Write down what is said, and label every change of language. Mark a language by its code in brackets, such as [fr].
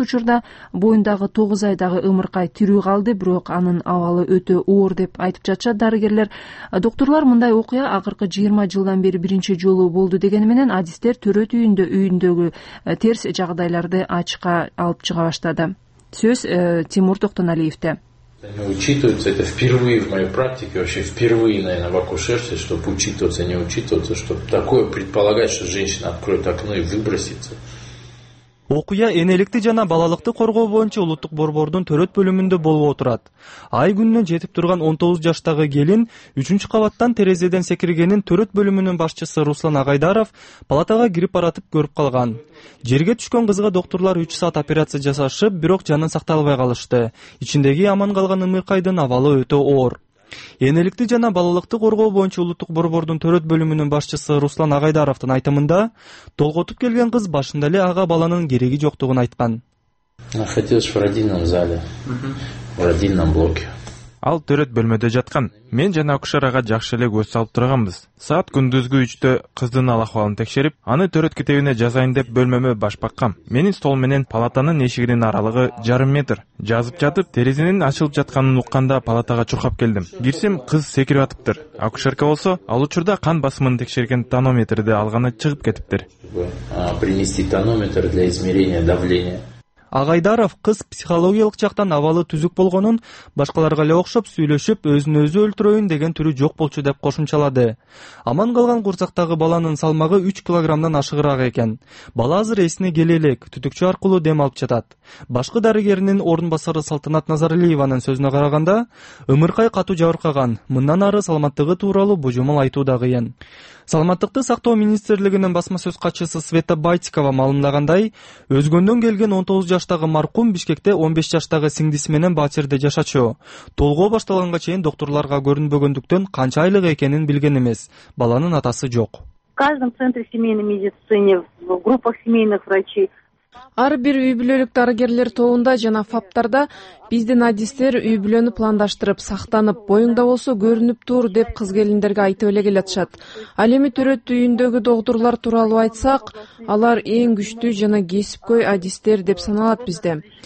[ky] Учурда боюндагы 9 айдагы ымыркай тирүү калды, бирок анын абалы өтө оор деп айтып жатышат дарыгерлер. Доктурлар мындай окуя акыркы 20 жылдан бери биринчи жолу болду дегени менен адистер төрөт үйүндөгү терс жагдайларды ачыкка алып чыга баштады. Сөз Тимур Токтоналиевде. [ru] Не учитывается, это впервые в моей практике, вообще впервые, наверное, в акушерстве, чтобы учитываться, не учитываться, чтобы такое предполагать, что женщина откроет окно и выбросится. [ky] Окуя энеликти жана балалыкты коргоо боюнча улуттук борбордун төрөт бөлүмүндө болуп отурат. Ай күнүнө жетип турган 19 жаштагы келин 3-чү кабаттан терезеден секиргенин төрөт бөлүмүнүн башчысы Руслан Агайдаров палатага кирип баратып көрүп калган. Жерге түшкөн кызга доктурлар 3 саат операция жасашып, бирок жанын сакталбай калышты. Ичиндеги аман калган ымыркайдын абалы өтө оор. Энеликти жана балалыкты коргоо боюнча улуттук борбордун төрөт бөлүмүнүн башчысы Руслан Агайдаровдун айтымында толготуп келген кыз башында эле ага баланын кереги жоктугун айткан. [ru] Находилась в родильном зале, в родильном блоке. [ky] Ал төрөт бөлмөдө жаткан. Мен жана акушер ага жакшы эле көз салып турганбыз. Саат күндүзгү 3:00 кыздын акыбалын текшерип, аны төрөт китебине жазайын деп бөлмөмө баш баккам. Менин стол менен палатанын эшигинин аралыгы 0.5 метр. Жазып жатып, терезенин ачылып жатканын укканда палатага чуркап келдим. Кирсем, кыз секирип атыптыр. Акушерка болсо, ал учурда кан басымын текшерген тонометрди алганы чыгып кетиптир. [ru] Принести тонометр для измерения давления. [ky] Агайдаров кыз психологиялык жактан абалы түзүк болгонун, башкаларга эле окшоп сүйлөшүп, өзүн өзү өлтүрөйүн деген түрү жок болчу деп кошумчалады. Аман калган курчактагы баланын салмагы 3 килограммдан ашыгыраак экен. Бала азыр эсине келе элек, түтүкчө аркылуу дем алып жатат. Башкы дарыгеринин орун басары Салтанат Назарылиеванын сөзүнө караганда, ымыркай катуу жабыркаган, мындан ары саламаттыгы тууралуу божомол айтуу да кыйын. Саламаттыкты сактоо министрлигинин басма сөз катчысы Света Байтикова маалымдагандай, өзгөндөн келген 19 жаштагы маркум Бишкекте 15 жаштагы сиңдиси менен батирде жашачу. Толгоо башталганга чейин доктурларга көрүнбөгөндүктөн канча айлык экенин билген эмес. Баланын атасы жок. [ru] В каждом центре семейной медицины, в группах семейных врачей [ky] Ар бир үй-бүлөлүк дарыгерлер тобунда жана фаптарда биздин адистер үй-бүлөнү пландаштырып, сактанып, боюңда болсо көрүнүп тур деп кыз келиндерге айтып эле келатышат. Ал эми төрөт үйүндөгү доктурлар тууралуу айтсак, алар эң күчтүү жана кесипкөй адистер деп саналат бизде.